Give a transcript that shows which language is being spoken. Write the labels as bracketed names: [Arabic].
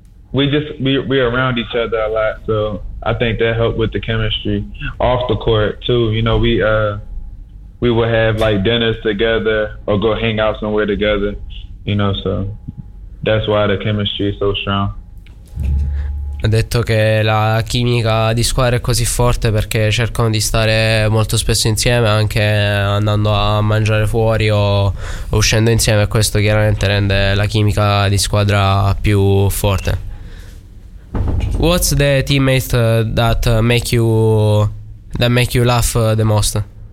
[English] We're around each other a lot, so I think that helped with the chemistry off the court too. You know, we would have like dinners together or go hang out somewhere together, you know, so that's why the chemistry is so strong. [Italian] Ha detto che la chimica di squadra è così forte perché cercano di stare molto spesso insieme, anche andando a mangiare fuori o uscendo insieme, e questo chiaramente rende la chimica di squadra più forte. [English] What's the teammate that make you laugh the most?